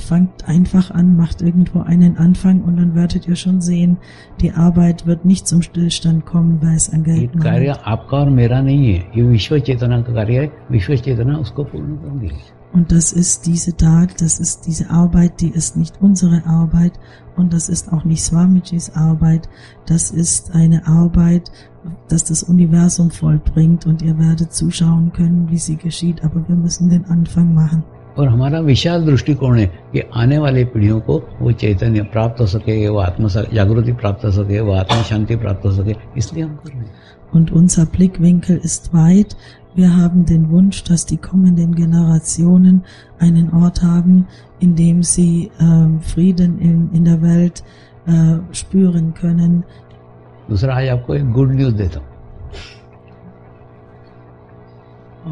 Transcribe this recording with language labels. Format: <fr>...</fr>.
<de>Fangt einfach an, macht irgendwo einen Anfang und dann werdet ihr schon sehen, die Arbeit wird nicht zum Stillstand kommen, weil es an Geld mangelt.</de> <hi>कार्य आपका और मेरा नहीं है, ये विश्व चेतना का कार्य है, विश्व चेतना उसको पूर्ण करेगी.</hi> <de>Und das ist diese Tat, das ist diese Arbeit, die ist nicht unsere Arbeit und das ist auch nicht Swamijis Arbeit. Das ist eine Arbeit, dass das Universum vollbringt und ihr werdet zuschauen können, wie sie geschieht, aber wir müssen den Anfang machen.</de> <hi>और हमारा विशाल दृष्टिकोण है कि आने वाले पीढ़ियों को वो चैतन्य प्राप्त हो सके, वो आत्म जागृति प्राप्त हो सके, वो आत्म शांति प्राप्त हो सके, इसलिए हम कर रहे हैं।</hi> <de>Und unser Blickwinkel ist weit. Wir haben den Wunsch, dass die kommenden Generationen einen Ort haben, in dem sie Frieden in der Welt spüren können.</de> <hi>Dusra, aaj aapko ek</hi> <en>good news</en> <hi>deta hu.</hi>